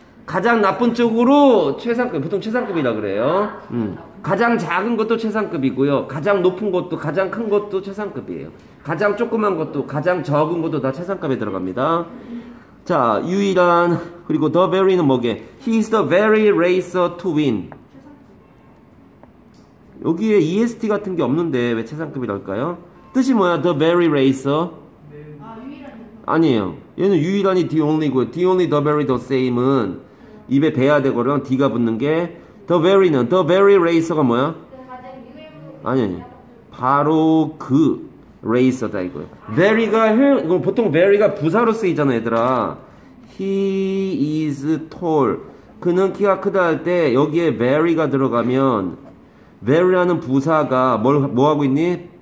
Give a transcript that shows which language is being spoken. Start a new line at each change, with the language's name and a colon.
Korean: 가장 나쁜 쪽으로 최상급. 보통 최상급이라 그래요. 가장 작은 것도 최상급이고요. 가장 높은 것도, 가장 큰 것도 최상급이에요. 가장 조그만 것도, 가장 적은 것도 다 최상급에 들어갑니다. 자, 유일한, 그리고
English: the very
Korean: 는 뭐게?
English: He is the very racer to win.
Korean: 여기에 EST 같은 게 없는데 왜 최상급이랄까요? 뜻이 뭐야?
English: The very racer?
Korean: 아니에요. 얘는 유일한이 the only고요.
English: The only, the very, the same
Korean: 은 입에 배야 되고 그냥 D가 붙는 게 The very는,
English: the very racer
Korean: 가 뭐야? 아니, 아니. 바로 그 racer다 이거야. very가, 보통 very가 부사로 쓰이잖아 얘들아.
English: He is tall.
Korean: 그는 키가 크다 할 때 여기에 very가 들어가면 very라는 부사가 뭘, 뭐하고 있니?